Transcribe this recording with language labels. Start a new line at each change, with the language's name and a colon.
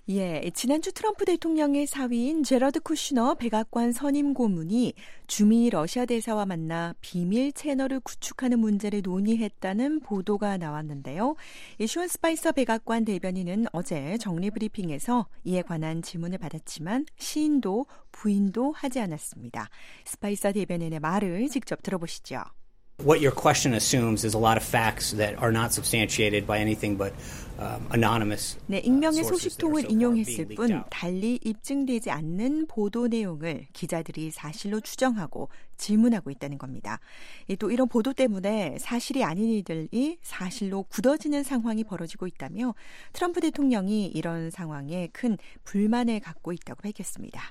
Korean: 예, 지난주 트럼프 대통령의 사위인 제러드 쿠슈너 백악관 선임 고문이 주미 러시아 대사와 만나 비밀 채널을 구축하는 문제를 논의했다는 보도가 나왔는데요. 숀 스파이서 백악관 대변인은 어제 정례 브리핑에서 이에 관한 질문을 받았지만 시인도 부인도 하지 않았습니다. 스파이서 대변인의 말을 직접 들어보시죠.
English: What your question assumes is a lot of facts that are not substantiated by anything but anonymous.
Korean: 네, 익명의 소식통을 인용했을 뿐 달리 입증되지 않는 보도 내용을 기자들이 사실로 추정하고 질문하고 있다는 겁니다. 또 이런 보도 때문에 사실이 아닌 일들이 사실로 굳어지는 상황이 벌어지고 있다며 트럼프 대통령이 이런 상황에 큰 불만을 갖고 있다고 밝혔습니다.